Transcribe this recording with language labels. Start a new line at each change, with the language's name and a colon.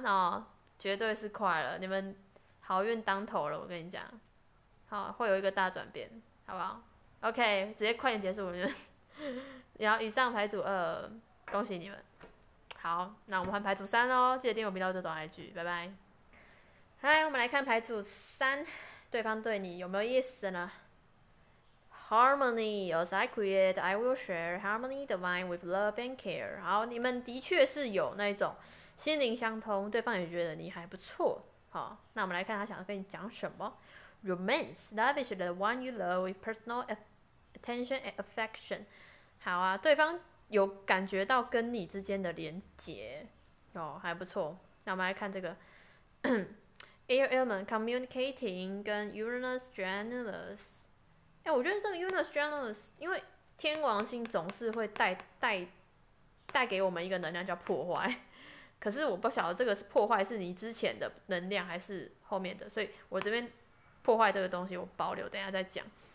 Chinese: 那、哦、绝对是快了，你们好运当头了，我跟你讲，好、哦、会有一个大转变，好不好？OK，直接快点结束你们。然后以上牌组二，恭喜你们。好，那我们换牌组三喽，记得订阅我频道这种 IG，拜拜。嗨，我们来看牌组三，对方对你有没有意思呢？
English: Harmony, as I create, I will share harmony divine with love and care.
Chinese: 好，你们的确是有那种心灵相通，对方也觉得你还不错。好，那我们来看他想跟你讲什么。
English: Romance, love is the one you love with personal attention and affection.
Chinese: 好啊，对方有感觉到跟你之间的连结哦，还不错。那我们来看这个 Air element communicating 跟 Uranus Janus。我觉得这个 Uranus Janus，因为天王星总是会带给我们一个能量叫破坏，可是我不晓得这个是破坏是你之前的能量还是后面的，所以我这边破坏这个东西我保留，等一下再讲。